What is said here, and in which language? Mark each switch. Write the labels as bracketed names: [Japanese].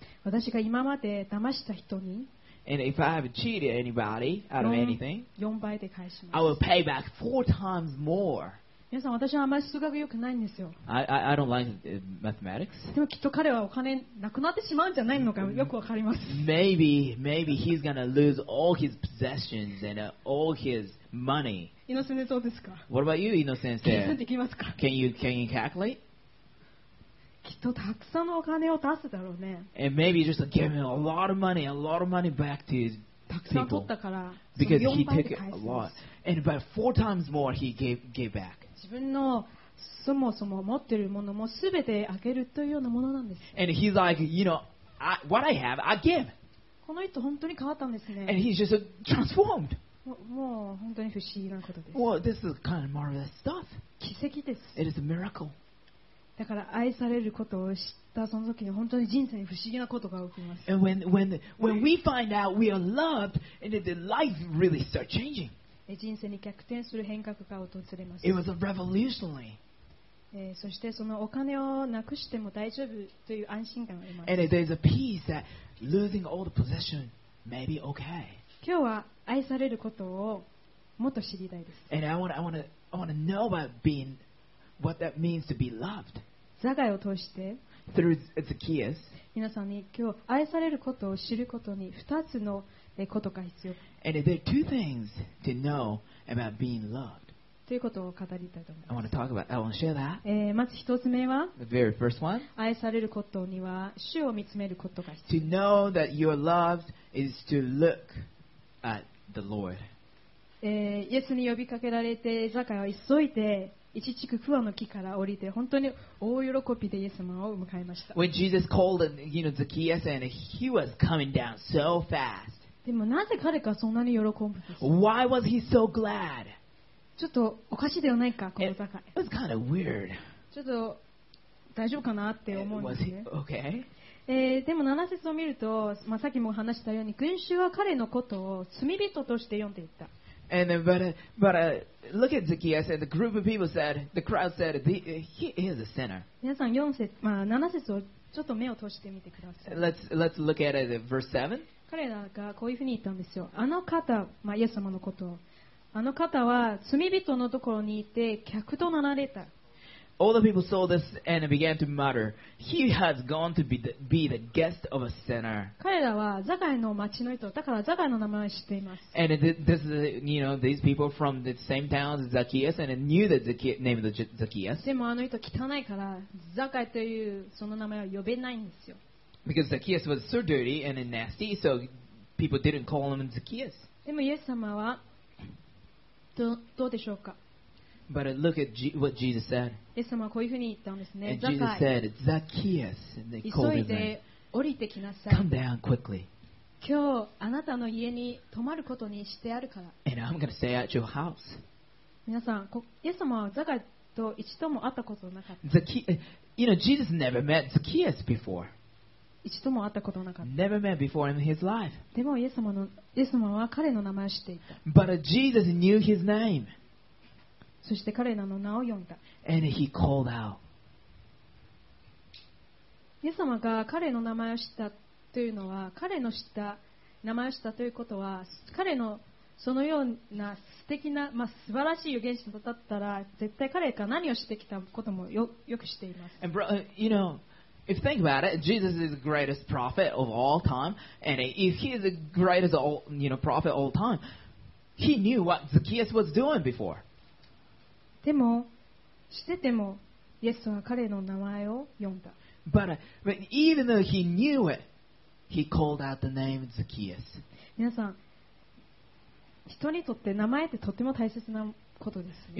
[Japanese] 私が今まで騙した人に、 [English] And if I have cheated anybody out of anything, [Japanese] 4倍で返します。 [English] I will pay back four times more. [Japanese] 皆さん、私はあまり数学良くないんですよ。 [English] I don't like mathematics. [Japanese] でもきっと彼はお金なくなってしまうんじゃないのかよくわかります。 [English] Maybe he's gonna lose all his possessions and all his money. [Japanese] 井上先生どうですか [English] ？What about you, 井上先生？ [Japanese] 計算できますか [English] ？Can you calculate? [Japanese] きっとたくさんのお金を出すだろうね。 [English] And maybe just giving a lot of money back to his [Japanese] たくさん取ったから、 [English] Because he took a lot. And by four times more he gave back. [Japanese] 自分のそもそも持っているものもすべてあげるというようなものなんです。 [English] And he's like, you know, what I have, I give. [Japanese] この人本当に変わったんですね。 [English] And he's just transformed. [Japanese] もう本当に不思議なことです。 [English] Well, this is kind of marvelous stuff. [Japanese] 奇跡です。 [English] It is a miracle. [Japanese] だから愛されることを知ったその時に本当に人生に不思議なことが起きます。 [English] And when we find out we are loved, and the life really starts changing. [Japanese] 人生に逆転する変革が訪れます。 [English] It was a revolutionary. [Japanese] そしてそのお金をなくしても大丈夫という安心感があります。 [English] And there's a peace that losing all the possession may be okay. [Japanese] 今日は愛されることをもっと知りたいです。 [English] And I want to know about being what that means to be loved. [Japanese] ザガイを通して、 [English] through Zacchaeus, [Japanese] 皆さんに今日愛されることを知ることに2つのことが必要。 [English] And there are two things to know about being loved. [Japanese] ということを語りたいと思います。 [English] I want to share that. [Japanese] まず一つ目は、 [English] The very first one. [Japanese] 愛されることには主を見つめることが必要。 [English] To know that you are loved is to look at the Lord. [Japanese] イエスに呼びかけられて、ザカイは急いで一地区桑の木から降りて、本当に大喜びでイエス様を迎えました。 [English] When Jesus called, you know, Zacchaeus, and he was coming down so fast. [Japanese] でもなぜ彼がそんなに喜ぶんですか? [English] Why was he so glad? [Japanese] ちょっとおかしいではないか、この坂。 [English] It was kind of weird. [Japanese] ちょっと大丈夫かなって思うんですね。 [English] Was he okay? [Japanese] でも7節を見ると、まあ、さっきも話したように群衆は彼のことを罪人として呼んでいった。 [English] And then, but look at Zacchaeus and the group of people said, the crowd said, he is a sinner. [Japanese] 皆さん4節、まあ、7節をちょっと目を閉じてみてください。 [English] Let's look at it, verse 7. [Japanese] 彼らがこういうふうに言ったんですよ。あの方、まあ、イエス様のこと、あの方は罪人のところにいて客となられた。 [English] All the people saw this and began to mutter, He has gone to be the guest of a sinner. [Japanese] 彼らはザカイの町の人、だからザカイの名前を知っています。 [English] And this is, you know, these people from the same town as Zacchaeus and knew the name of Zacchaeus. [Japanese] でもあの人汚いから、ザカイというその名前は呼べないんですよ。 [English] Because Zacchaeus was so dirty and nasty, so people didn't call him Zacchaeus. [Japanese] でもイエス様はどうでしょうか? [English] But look at what Jesus said. [Japanese] イエス様はこういうふうに言ったんですね。 [English] And Jesus said, Zacchaeus, and they called him. [Japanese] 急いで降りてきなさい。 [English] Come down quickly. [Japanese] 今日あなたの家に泊まることにしてあるから。 [English] And I'm going to stay at your house. [Japanese] 皆さん、イエス様はザカイと一度も会ったことなかった。 [English] You know, Jesus never met Zacchaeus before. [Japanese] 一度も会ったことなかった。 [English] Never met before in his life. [Japanese] でもイエス様は彼の名前を知っていた。 [English] But Jesus knew his name. [Japanese] そして彼らの名を呼んだ。 [English] And he called out. [Japanese] イエス様が彼の名前を知ったというのは、彼の知った名前を知ったということは、彼のそのような素敵な、まあ、素晴らしい預言者だったら、絶対彼が何をしてきたことも よく知っています。 [English] And bro, you know, if you think about it, Jesus is the greatest prophet of all time, and if he is the greatest all, you know, prophet of all time, he knew what Zacchaeus was doing before. [Japanese] でも、知ってても、イエス様は彼の名前を呼んだ。 [English] But, but even though he knew it, he called out the name Zacchaeus. [Japanese] 皆さん、人にとって名前ってとても大切なことです、ね。